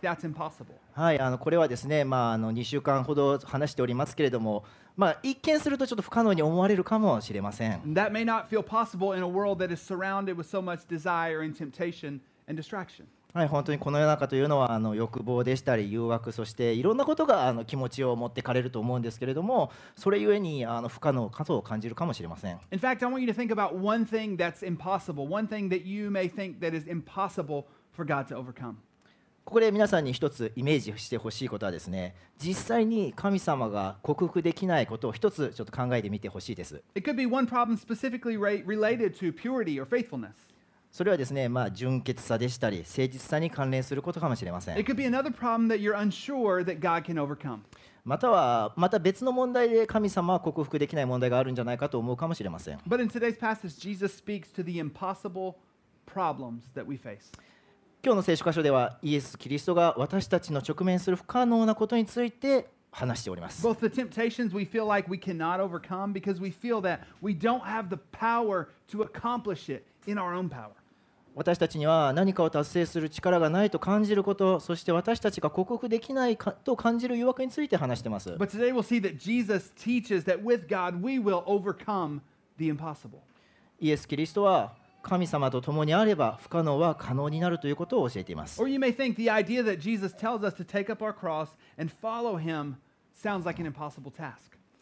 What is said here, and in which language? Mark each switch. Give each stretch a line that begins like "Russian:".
Japanese: これはですね、2週間ほど話しておりますけれども、一見するとちょっと不可能に思われるかもしれません。
English: That may not feel possible in a world that is surrounded with so much desire and temptation and distraction.
Japanese: はい、本当にこの世の中というのは欲望でしたり誘惑、そしていろんなことが気持ちを持ってかれると思うんですけれども、それゆえに不可能かと感じるかもしれません。
English: In fact, I want you to think about one thing that's impossible, one thing that you may think that is impossible for God to overcome.
Japanese: ここで皆さんに一つイメージしてほしいことはですね、実際に神様が克服できないことを一つちょっと考えてみてほしいです。
English: It could be one problem specifically related to purity or faithfulness.
Japanese: それはですね、純潔さでしたり誠実さに関連することかもしれません。
English: It could be another problem that you're unsure that God can overcome.
Japanese: また別の問題で神様は克服できない問題があるんじゃないかと思うかもしれません。
English: But in today's passage, Jesus speaks to the impossible problems that we face.
Japanese: 今日の聖書箇所ではイエス・キリストが私たちの直面する不可能なことについて話しております。
English: Both the temptations we feel like we cannot overcome because we feel that we don't have the power to accomplish itIn our own power.
Japanese: 私たちには何かを達成する力がないと感じること、そして私たちが克服できないかと感じる誘惑について話しています。
English: But today we'll see that Jesus teaches that with God we will overcome the impossible.
Japanese: イエス・キリストは神様と共にあれば不可能は可能になるということを教えています。
English: Or you may think the idea that Jesus tells us to take up our cross and follow him sounds like an impossible task.